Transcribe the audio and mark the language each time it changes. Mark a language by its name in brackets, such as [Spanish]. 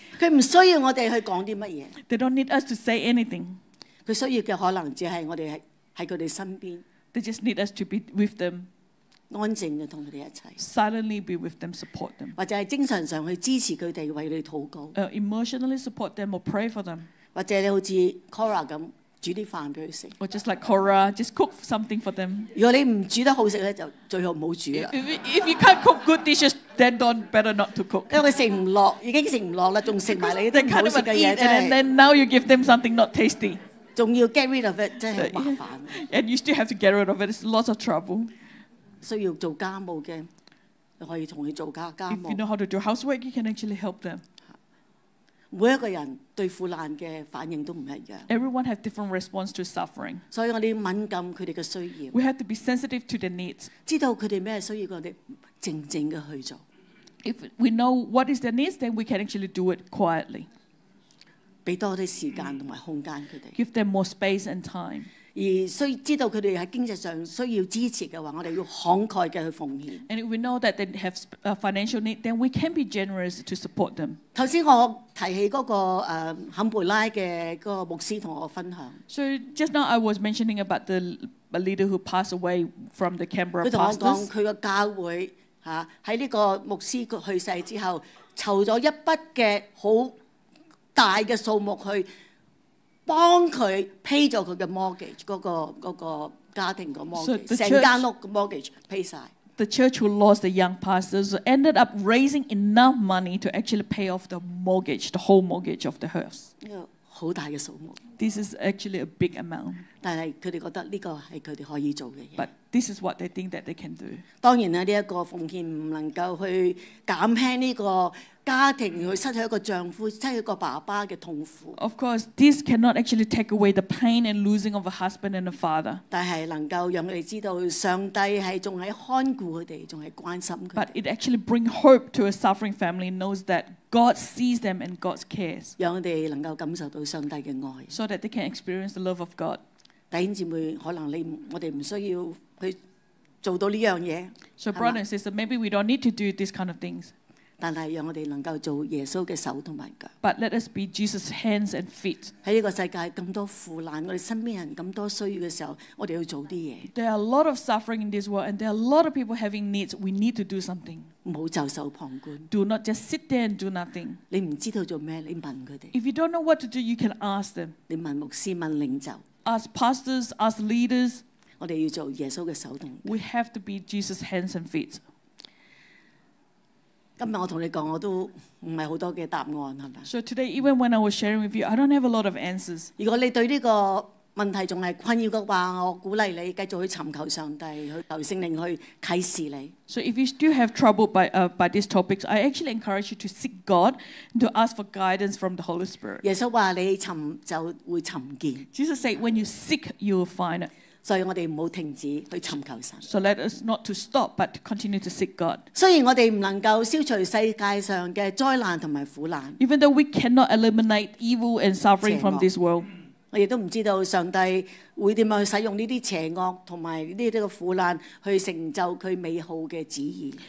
[Cantonese] 佢唔需要我哋去講啲乜嘢。 [English] They don't need us to say anything. [Cantonese] 佢需要嘅可能只係我哋喺佢哋身邊。 [English] They just need us to be with them. [Cantonese] 安靜嘅同佢哋一齊。 [English] Silently be with them, support them. [Cantonese] 或者係精神上去支持佢哋，為佢禱告。 [English] Emotionally support them or pray for them. [Cantonese] 或者你好似 Cora 咁煮啲飯俾佢食。 [English] Or just like Cora, just cook something for them. [Cantonese] 如果你唔煮得好食咧，就最好唔好煮啦。 [English] If you can't cook good dishes, then don't better not to cook. [Cantonese] 因為食唔落，已經食唔落啦，仲食埋你啲唔好食嘅嘢。 [English] And then now you give them something not tasty. [Cantonese] 仲要 [English] get rid of it， [Cantonese] 真係麻煩。 [English] And you still have to get rid of it. It's lots of trouble. [Cantonese] 需要做家務嘅，你可以同佢做家務。 [English] If you know how to do housework, you can actually help them. [Cantonese] 每一個人對苦難嘅反應都唔一樣。 [English] Everyone has different response to suffering。 [Cantonese] 所以我哋敏感佢哋嘅需要。 [English] We have to be sensitive to the needs。 [Cantonese] 知道佢哋咩需要，我哋靜靜嘅去做。 [English] If we know what is their needs, then we can actually do it quietly。 [Cantonese] 俾多啲時間同埋空間佢哋。 [English] Give them more space and time。 [Cantonese] 而需知道佢哋喺經濟上需要支持嘅話，我哋要慷慨嘅去奉獻。 [English] And if we know that they have a financial need, then we can be generous to support them. [Cantonese] 頭先我提起嗰個坎培拉嘅嗰個牧師同我分享。 [English] So just now I was mentioning about the leader who passed away from the Canberra pastors. [Cantonese] 佢同我講佢個教會嚇喺呢個牧師去世之後，籌咗一筆嘅好大嘅數目去。幫佢 pay 咗佢嘅 mortgage， 嗰個家庭個 mortgage， 成間屋嘅 mortgage pay 曬。 [English] The church who lost the young pastors ended up raising enough money to actually pay off the mortgage, the whole mortgage of the house. [Cantonese] 呢個好大嘅數目。 [English] This is actually a big amount. [Cantonese] 但係佢哋覺得呢個係佢哋可以做嘅嘢。 [English] But this is what they think that they can do. [Cantonese] 當然啦，呢一個奉獻唔能夠去減輕呢個。家庭佢失去一個丈夫，失去一個爸爸嘅痛苦。 [English] Of course, this cannot actually take away the pain and losing of a husband and a father. [Cantonese] 但係能夠讓佢哋知道上帝係仲喺看顧佢哋，仲係關心佢哋。 [English] But it actually brings hope to a suffering family, knows that God sees them and God cares. [Cantonese] 讓佢哋能夠感受到上帝嘅愛。 [English] So that they can experience the love of God. [Cantonese] 弟兄姊妹，可能我哋唔需要去做到呢樣嘢。 [English] So brothers and sisters, maybe we don't need to do these kind of things. [Cantonese] 但係讓我哋能夠做耶穌嘅手同埋腳。 [English] But let us be Jesus' hands and feet。 [Cantonese] 喺呢個世界咁多苦難，我哋身邊人咁多需要嘅時候，我哋要做啲嘢。 [English] There are a lot of suffering in this world, and there are a lot of people having needs. We need to do something。 [Cantonese] 唔好袖手旁觀。 [English] Do not just sit there and do nothing。 [Cantonese] 你唔知道做咩，你問佢哋。 [English] If you don't know what to do, you can ask them。 [Cantonese] 你問牧師，問領袖。 [English] Ask pastors, ask leaders。 [Cantonese] 我哋要做耶穌嘅手同。 [English] We have to be Jesus' hands and feet。 [Cantonese] 今日我同你講，我都唔係好多嘅答案，係咪 [English] ？So today, even when I was sharing with you, I don't have a lot of answers. [Cantonese] 如果你對呢個問題仲係困擾嘅話，我鼓勵你繼續去尋求上帝，去求聖靈去啟示你。 [English] So if you still have trouble by these topics, I actually encourage you to seek God and to ask for guidance from the Holy Spirit. [Cantonese] 耶穌話：你尋就會尋見。 [English] Jesus said, "When you seek, you will find." [Cantonese] 所以我哋唔好停止去尋求神。 [English] So let us not to stop, but continue to seek God. [Cantonese] 雖然我哋唔能夠消除世界上嘅災難同埋苦難。 [English] Even though we cannot eliminate evil and suffering from this world, [Cantonese] 我亦都唔知道上帝會點樣使用呢啲邪惡同埋呢啲嘅苦難去成就佢美好嘅旨意。